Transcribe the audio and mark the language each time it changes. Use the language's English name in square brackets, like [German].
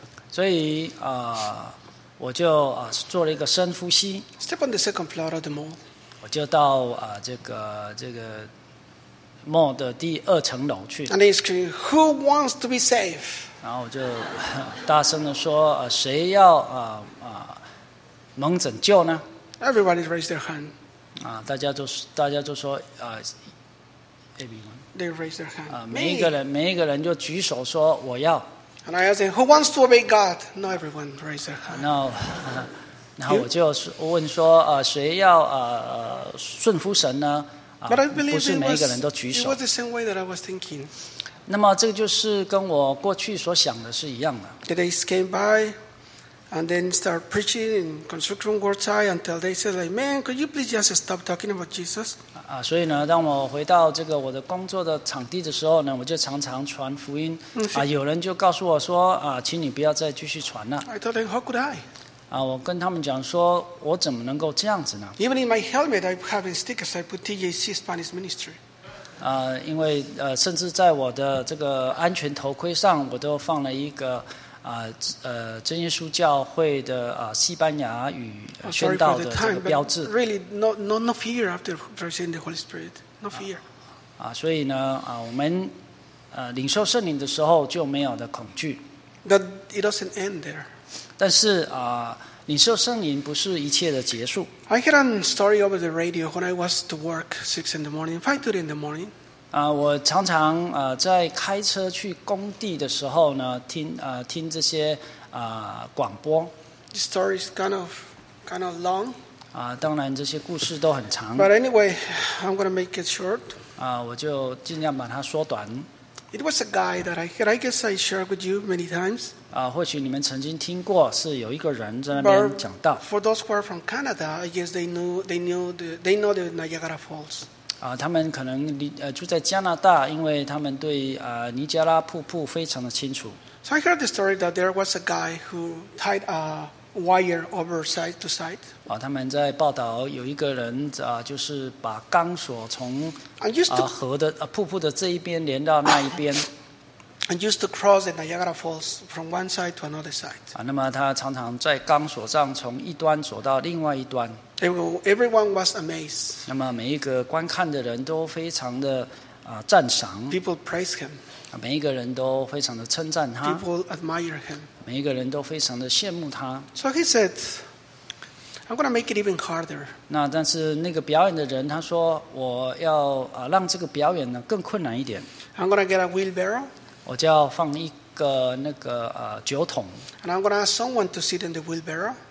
[Chinese] 所以我就做了一个深呼吸。 [English] Step on the second floor of the mall. [Chinese] 我就到这个。Mall 的第二层楼去。 [English] And he's screaming, "Who wants to be saved?" [Chinese] 然后我就大声的说：“谁要蒙拯救呢 [English] ？”Everybody raised their hand. [Chinese] 大家就说everyone. [English] They raised their hand. [Chinese] 每一个人就举手说我要。 [English] And I asked him, "Who wants to obey God?" Not everyone raised their hand. No. [Chinese] 然后我就问说：“谁要顺服神呢？” [English] But I believe it was the same way that I was thinking. [Chinese] 那么这个就是跟我过去所想的是一样的。 [English] The days came by, and then start preaching in construction work site until they said, like, "Man, could you please just stop talking about Jesus?" [Chinese] 所以呢，当我回到这个我的工作的场地的时候呢，我就常常传福音。有人就告诉我说请你不要再继续传了。 [English] I told them, "How could I?" [Chinese] 我跟他们讲说，我怎么能够这样子呢 [English] ？Even in my helmet, I have stickers I put TJC Spanish Ministry. [Chinese] 因为甚至在我的这个安全头盔上，我都放了一个真耶稣教会的西班牙语宣道的这个标志。 [English] Really, no fear after receiving the Holy Spirit, no fear. [Chinese] 所以呢，我们领受圣灵的时候就没有的恐惧。 [English] But it doesn't end there. [Chinese] 但是领受圣灵不是一切的结束。 [English] I heard a story over the radio when I was to work 6 in the morning, 5:30 in the morning. [Chinese] 我常常在开车去工地的时候呢，听这些广播。 [English] The story is kind of long. [Chinese] 当然这些故事都很长。 [English] But anyway, I'm going to make it short. [Chinese] 我就尽量把它缩短。 [English] It was a guy that I guess I shared with you many times. [Chinese] 或许你们曾经听过，是有一个人在那边讲道。 [English] But for those who are from Canada, I guess they know the Niagara Falls. [Chinese] 他们可能住在加拿大，因为他们对尼加拉瀑布非常的清楚。 [English] So I heard the story that there was a guy who tied a wire over side to side. [Chinese] 他们在报道有一个人就是把钢索从河的瀑布的这一边连到那一边。 [English] And used to cross the Niagara Falls from one side to another side. [Chinese] 那么他常常在钢索上从一端走到另外一端。 [English] Everyone was amazed. [Chinese] 那么每一个观看的人都非常的赞赏。 [English] People praised him. [Chinese] 每一个人都非常的称赞他。 [English] People admire him. [Chinese] 每一个人都非常的羡慕他。 [English] So he said, "I'm going to make it even harder." [Chinese] 那但是那个表演的人他说，我要让这个表演呢更困难一点。 [English] I'm going to get a wheelbarrow. [Chinese] 我就要放一个那个酒桶。 [English] And I'm going to ask someone to sit in the wheelbarrow.